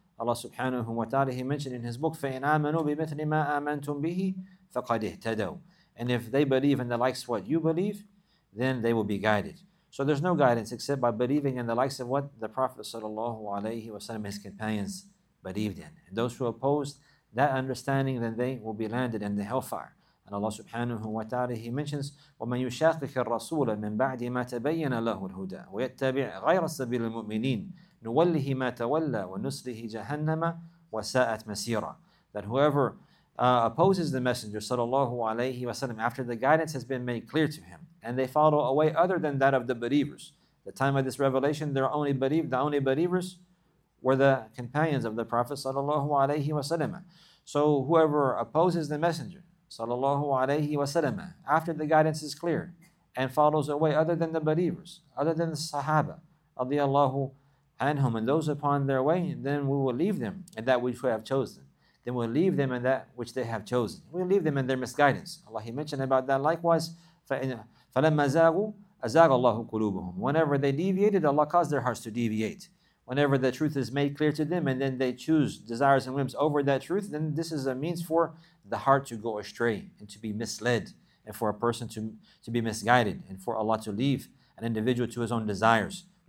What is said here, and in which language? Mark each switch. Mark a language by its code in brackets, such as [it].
[en] Allah subhanahu wa ta'ala, he mentioned in his book, [ar] فَإِنْ آمَنُوا بِمِثْلِ مَا آمَنْتُمْ بِهِ فَقَدْ اِهْتَدَوْا. [en] And if they believe in the likes of what you believe, then they will be guided. So there's no guidance except by believing in the likes of what the Prophet sallallahu alayhi wa sallam, his companions, believed in. And those who oppose that understanding, then they will be landed in the hellfire. And Allah subhanahu wa ta'ala, he mentions, [ar] وَمَن يُشَاقِكَ الرَّسُولَ مِن بَعْدِ مَا تَبَيَّنَ لَهُ الْهُدَى وَيَتَّبِعْ غَيْرَ السَّبِيلِ الْمُؤْمِنِينَ نُوَلِّهِ مَا تَوَلَّى وَنُسْلِهِ جَهَنَّمَ وَسَاءَتْ مَسِيرًا. [en] That whoever opposes the Messenger sallallahu alayhi wa sallam after the guidance has been made clear to him, and they follow a way other than that of the believers, the time of this revelation, the only believers were the companions of the Prophet sallallahu alayhi wa sallam. So whoever opposes the messenger sallallahu alayhi wa sallam after the guidance is clear and follows away other than the believers, other than the sahaba radiyallahu anhum, and those upon their way, then we will leave them in that which we have chosen. Then we'll leave them in that which they have chosen. We'll leave them in their misguidance. Allah, He mentioned about that. Likewise, [ar] فَلَمَّا زَاغُوا أَزَاغَ اللَّهُ قُلُوبُهُمْ. [en] Whenever they deviated, Allah caused their hearts to deviate. Whenever the truth is made clear to them and then they choose desires and whims over that truth, then this is a means for the heart to go astray and to be misled, and for a person to be misguided, and for Allah to leave an individual to his own desires.